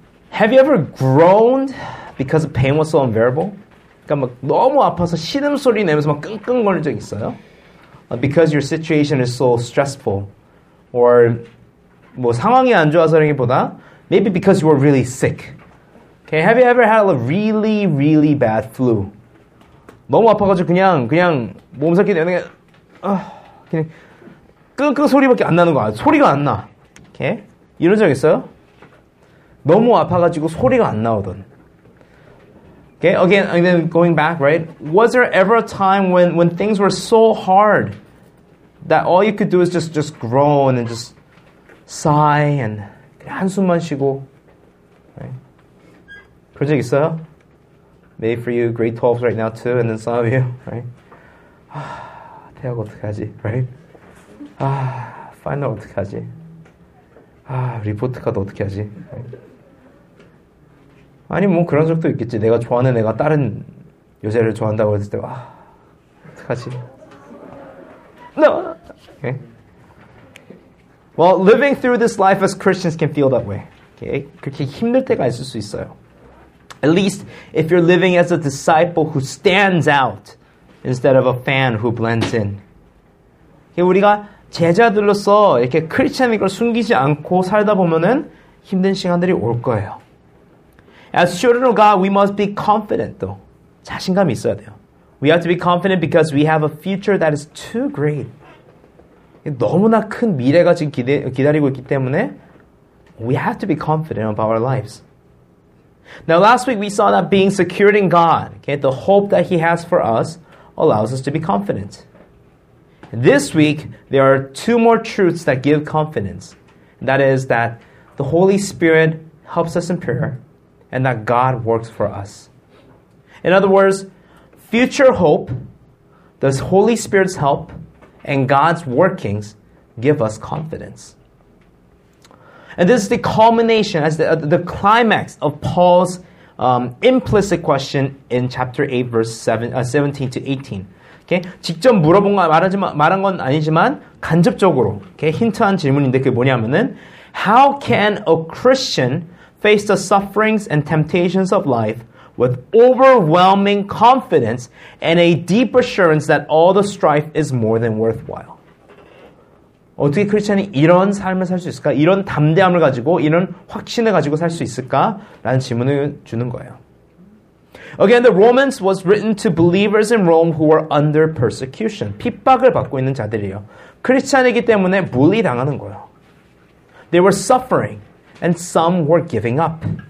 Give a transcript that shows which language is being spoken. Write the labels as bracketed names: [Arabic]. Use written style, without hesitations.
[English] Have you ever groaned because the pain was so unbearable? [Korean] 그러니까 막 너무 아파서 신음 소리 내면서 막 끙끙거릴 적 있어요? [English] Because your situation is so stressful, or [Korean] 뭐 상황이 안 좋아서라기보다 [English] maybe because you were really sick. Okay, have you ever had a really, really bad flu? [Korean] 너무 아파가지고 그냥 몸살기 내는 게 그냥 끙끙 소리밖에 안 나는 거야. 소리가 안 나. Okay, 이런 적 있어요? 너무 아파가지고 소리가 안 나오던. [English] Okay, again, and then going back, right? Was there ever a time when things were so hard that all you could do is just groan and just sigh and [Korean] 그냥 한숨만 쉬고? Right? 그런 적 있어요? [English] Maybe for you, grade 12 right now too, and then some of you, right? [Korean] 대학 어떡하지, right? 파이널 어떡하지? 리포트 카드 어떻게 하지? 아니 뭐 그런 적도 있겠지. 내가 좋아하는 애가 다른 여자를 좋아한다고 했을 때 와 어떡하지? [English] No. Okay. Well, living through this life as Christians can feel that way. Okay. [Korean] 그렇게 힘들 때가 있을 수 있어요. [English] At least if you're living as a disciple who stands out instead of a fan who blends in. [Korean] Okay, 우리가 제자들로서 이렇게 크리스천인 걸 숨기지 않고 살다 보면은 힘든 시간들이 올 거예요. [English] As children of God, we must be confident though. [Korean] 자신감이 있어야 돼요. [English] We have to be confident because we have a future that is too great. [Korean] 너무나 큰 미래가 지금 기다리고 있기 때문에 [English] we have to be confident about our lives. Now last week we saw that being secured in God, okay, the hope that He has for us allows us to be confident. This week, there are two more truths that give confidence. That is that the Holy Spirit helps us in prayer and that God works for us. In other words, future hope, the Holy Spirit's help, and God's workings give us confidence. And this is the culmination, as the climax of Paul's implicit question in chapter 8, verse 17 to 18. Okay? [Korean] 직접 물어본 건 말한 건 아니지만 간접적으로 okay? 힌트한 질문인데 그게 뭐냐면은 [English] How can a Christian face the sufferings and temptations of life with overwhelming confidence and a deep assurance that all the strife is more than worthwhile? [Korean] 어떻게 크리스천이 이런 삶을 살 수 있을까? 이런 담대함을 가지고 이런 확신을 가지고 살 수 있을까? 라는 질문을 주는 거예요. [English] Again, the Romans was written to believers in Rome who were under persecution. [Korean] 핍박을 받고 있는 자들이에요. 크리스찬이기 때문에 물리당하는 거예요. [English] They were suffering, and some were giving up.